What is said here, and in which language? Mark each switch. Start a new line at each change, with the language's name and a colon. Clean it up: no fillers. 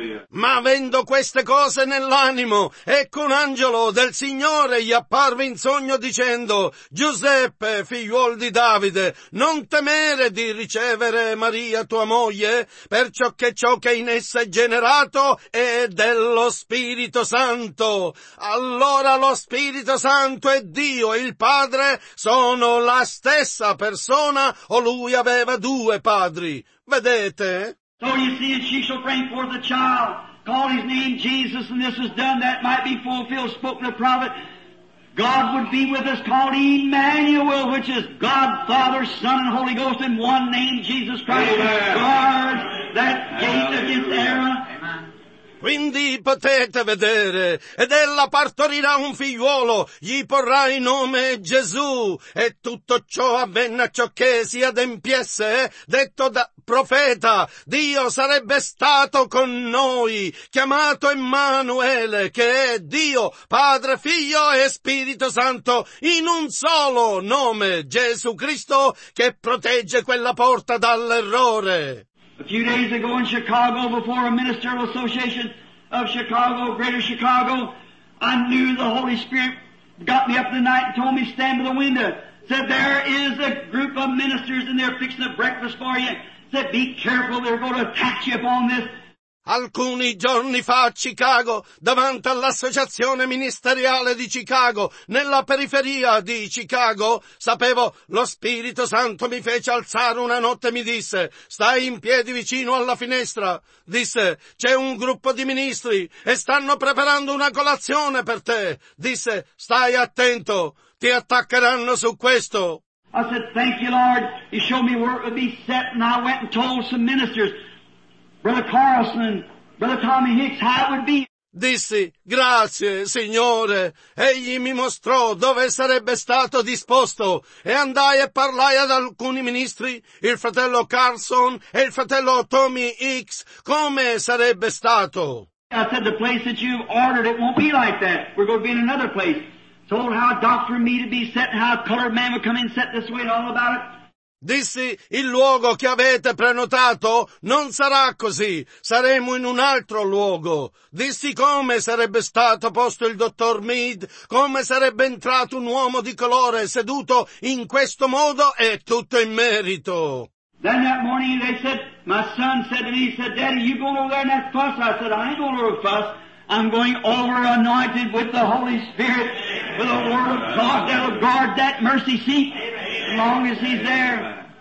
Italian: Ma avendo queste cose nell'animo, ecco un angelo del Signore gli apparve in sogno dicendo, Giuseppe, figliuol di Davide, non temere di ricevere Maria tua moglie, perciò che ciò che in essa è generato è dello Spirito Santo. Allora lo Spirito Santo e Dio, il Padre, sono la stessa persona, o lui aveva due padri. Vedete?
English: So you see, and she shall bring forth a child, call his name Jesus, and this was done that might be fulfilled, spoken of the prophet. God would be with us, called Emmanuel, which is God, Father, Son, and Holy Ghost, in one name, Jesus Christ. Amen. Guard that gate against error.
Italian: Quindi potete vedere, ed ella partorirà un figliuolo, gli porrà il nome Gesù, e tutto ciò avvenne a ciò che si adempiesse, detto da profeta, Dio sarebbe stato con noi, chiamato Emmanuele, che è Dio, Padre, Figlio e Spirito Santo, in un solo nome, Gesù Cristo, che protegge quella porta dall'errore.
English: A few days ago in Chicago, before a ministerial association of Chicago, Greater Chicago, I knew the Holy Spirit got me up in the night and told me, stand by the window. Said, there is a group of ministers and they're fixing a breakfast for you. Said, be careful, they're going to attack you upon this.
Italian: Alcuni giorni fa a Chicago, davanti all'associazione ministeriale di Chicago, nella periferia di Chicago, sapevo, lo Spirito Santo mi fece alzare una notte e mi disse, stai in piedi vicino alla finestra. Disse, c'è un gruppo di ministri e stanno preparando una colazione per te. Disse, stai attento, ti attaccheranno su questo.
English: I said, thank you Lord, you showed me where it would be set and I went and told some ministers. Brother Carlson, Brother Tommy Hicks, how it would be.
Italian: Dissi, grazie, Signore. Egli mi mostrò dove sarebbe stato disposto. E andai e parlai ad alcuni ministri, il fratello Carlson e il fratello Tommy Hicks, come sarebbe stato.
English: I said, the place that you've ordered, it won't be like that. We're going to be in another place. Told how a doctor and me to be set, how a colored man would come in set this way and all about it.
Italian: Dissi, il luogo che avete prenotato non sarà così, saremo in un altro luogo. Dissi come sarebbe stato posto il dottor Mead, come sarebbe entrato un uomo di colore seduto in questo modo e tutto in merito.
English: Then that morning they said, my son said to me, he said, Daddy, you going over there in that fuss? I said, I ain't going over a fuss. I'm going over anointed with the Holy Spirit, with the Word of God that'll guard that mercy seat as long as he's there.